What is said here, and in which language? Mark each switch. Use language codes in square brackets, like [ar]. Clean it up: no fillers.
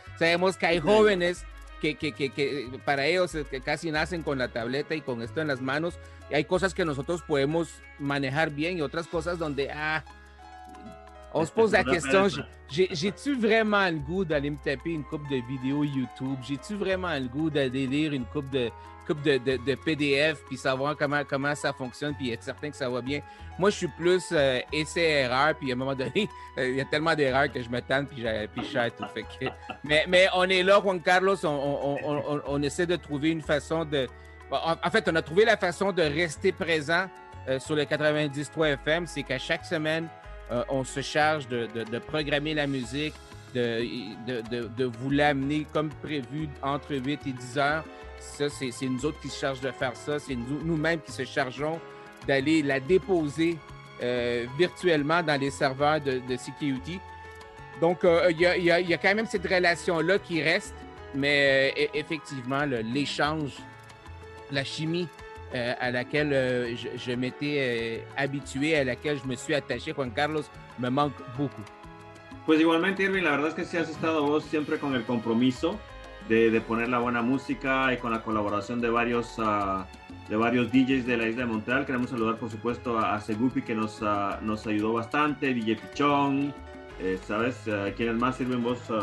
[es] Sabemos que hay jóvenes que para ellos que casi nacen con la tableta y con esto en las manos, y hay cosas que nosotros podemos manejar bien y otras cosas donde [fr] on se pose la question, j'ai-tu vraiment le goût d'aller me taper une couple de vidéos YouTube? J'ai-tu vraiment le goût d'aller lire une couple de PDF puis savoir comment ça fonctionne puis être certain que ça va bien? Moi, je suis plus essai-erreur, puis à un moment donné, il y a tellement d'erreurs que je me tente puis je chasse tout. Fait que, mais on est là, Juan Carlos, on essaie de trouver une façon de... En fait, on a trouvé la façon de rester présent sur le 90.3 FM, c'est qu'à chaque semaine, on se charge de programmer la musique, de vous l'amener comme prévu entre 8 et 10 heures. Ça, c'est nous autres qui se chargent de faire ça. C'est nous-mêmes qui se chargeons d'aller la déposer virtuellement dans les serveurs de CKUT. Donc, il y a quand même cette relation-là qui reste, mais effectivement, l'échange, la chimie, à laquelle je m'étais habitué, à laquelle je me suis attaché, Juan Carlos, me manque beaucoup. [es] Pues igualmente, Irving, la verdad es que sí has estado vos siempre con el compromiso de poner la buena música y con la colaboración de varios DJs de la isla de Montreal. Queremos saludar, por supuesto, a Segupi, que nos ayudó bastante, DJ Pichón, ¿sabes? ¿Quiénes más, Irving, vos?